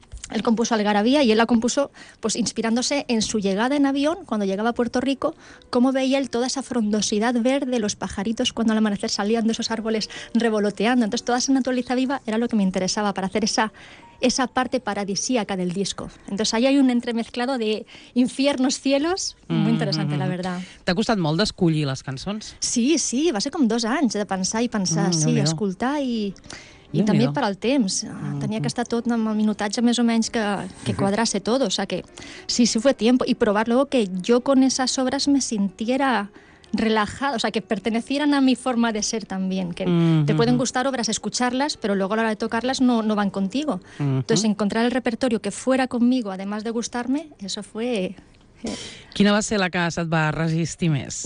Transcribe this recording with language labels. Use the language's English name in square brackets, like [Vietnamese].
[Spanish] Él compuso Algarabía y él la compuso pues inspirándose en su llegada en avión, cuando llegaba a Puerto Rico, cómo veía él toda esa frondosidad verde, los pajaritos cuando al amanecer salían de esos árboles revoloteando. Entonces toda esa naturaleza viva era lo que me interesaba para hacer esa parte paradisíaca del disco. Entonces ahí hay un entremezclado de infiernos, cielos, muy interesante, la verdad. [Catalan] T'ha costat molt d'escollir les cançons? Sí, sí, va ser com 2 anys de pensar, sí, no. Escoltar i... I també per al temps. Tenia que estar tot amb el minutatge més o menys que quadrasse tot. [Spanish] O sea que sí, sí, fue tiempo. Y probar luego que yo con esas obras me sintiera relajada, o sea, que pertenecieran a mi forma de ser también. Que te pueden gustar obras, escucharlas, pero luego a la hora de tocarlas no van contigo. Entonces encontrar el repertorio que fuera conmigo, además de gustarme, eso fue... [Catalan] Quina va ser la que se't va resistir més?